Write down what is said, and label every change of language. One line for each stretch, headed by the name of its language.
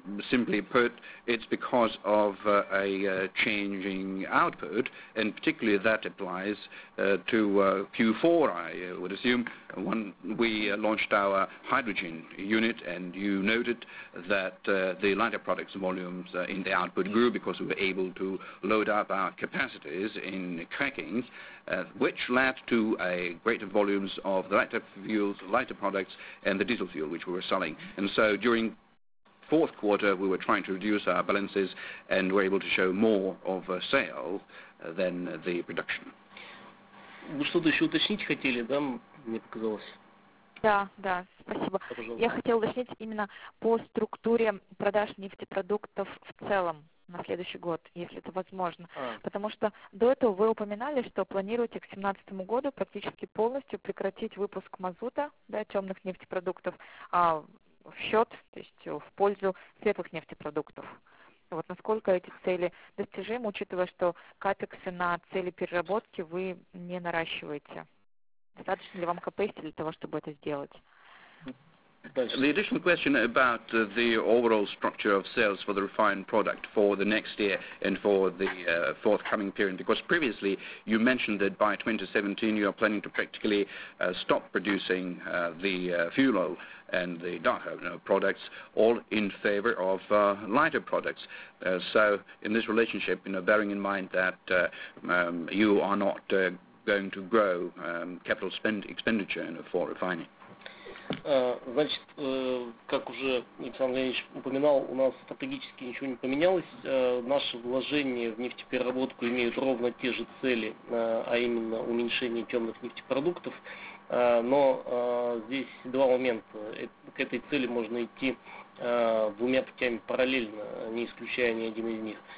English: Simply put, it's because of a changing output, and particularly that applies to Q4, I would assume, when we launched our hydrogen unit, and you noted that the lighter products volumes in the output grew because we were able to load up our capacities in cracking, which led to a greater volumes of the lighter fuels, lighter products, and the diesel fuel which we were selling. And so during fourth quarter, we were trying to reduce our balances and were able to show more of a sale than the production.
Russian: Вы что-то еще уточнить хотели, да, мне показалось? Да, да, спасибо. Пожалуйста. Я хотела уточнить именно по структуре продаж нефтепродуктов в целом на следующий год, если это возможно. Потому что до этого вы упоминали, что планируете к 2017 году практически полностью прекратить выпуск мазута, да, темных нефтепродуктов, в счет, то есть в пользу светлых нефтепродуктов. Вот насколько эти цели достижимы, учитывая, что капексы на цели переработки вы не наращиваете. Достаточно ли вам капексы для того, чтобы это сделать?
English: The additional question about the overall structure of sales for the refined product for the next year and for the forthcoming period, because previously you mentioned that by 2017 you are planning to practically stop producing the fuel oil and the darker products, all in favor of lighter products. So in this relationship, you know, bearing in mind that you are not going to grow capital expenditure for refining.
Russian: Значит, как уже Александр Леонидович упоминал, у нас стратегически ничего не поменялось. Наши вложения в нефтепереработку имеют ровно те же цели, а именно уменьшение темных нефтепродуктов. Но здесь два момента. К этой цели можно идти двумя путями параллельно, не исключая ни один из них.